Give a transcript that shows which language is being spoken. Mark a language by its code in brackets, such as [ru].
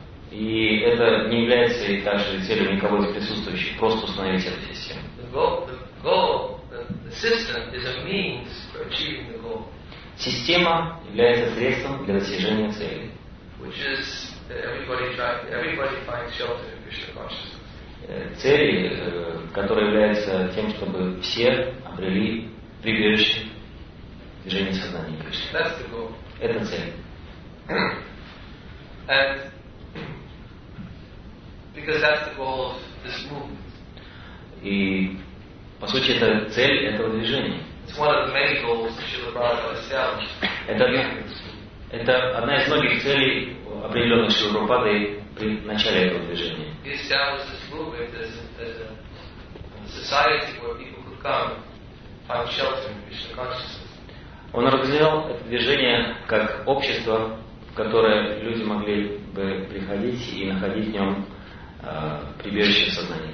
[ru] И это не является и также целью никого из присутствующих просто установить эту систему. [en] The system is a means for achieving the goal. [ru] Система является средством для достижения цели. [en] Which is that everybody finds shelter in Krishna consciousness. [ru] Цели, которая является тем, чтобы все обрели прибежище движения сознания Кришны. Это цель. [en] And because that's the goal of this movement. [ru] И, по сути, это цель этого движения. [en] It's one of the many goals that Srila Prabhupada established. [ru] Это одна из многих целей, определенных Шрила Прабхупадой при начале этого движения. [en] As a society where people could come find shelter in Krishna consciousness. [ru] Он организовал это движение как общество, в которое люди могли бы приходить и находить в нем прибежище в сознании